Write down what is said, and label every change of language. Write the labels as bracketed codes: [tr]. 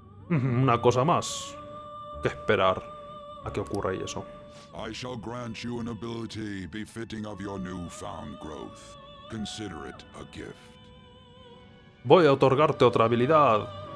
[es] Una cosa más que esperar a que ocurra y eso. [en] I shall grant you an ability befitting of your newfound growth. Consider it a gift. [es] Voy a otorgarte otra habilidad.